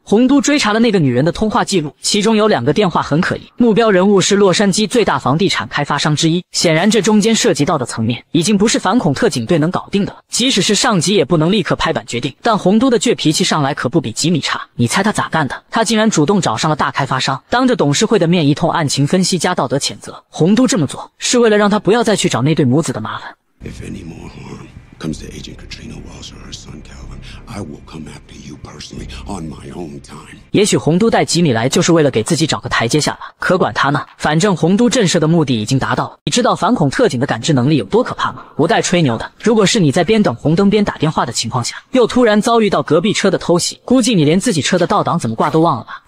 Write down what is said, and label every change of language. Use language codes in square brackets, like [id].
[zh] 洪都追查了那个女人的通话记录，其中有两个电话很可疑，目标人物是洛杉矶最大房地产开发商之一，显然这中间涉及到的层面已经不是反恐特警队能搞定的，即使是上级也不能立刻拍板决定。但洪都的倔脾气上来可不比吉米差，你猜他咋干的？他竟然主动找上了大开发商，当着董事会的面一通案情分析加道德谴责。洪都这么做是为了让他不要再去找那对母子的麻烦。 [en] If any more harm comes to Agent Katrina Wells or her son Calvin, I will come after you personally on my own time. [zh] 也许洪都带吉米来就是为了给自己找个台阶下吧，可管他呢，反正洪都震慑的目的已经达到了。你知道反恐特警的感知能力有多可怕吗？不带吹牛的，如果是你在边等红灯边打电话的情况下，又突然遭遇到隔壁车的偷袭，估计你连自己车的倒档怎么挂都忘了吧。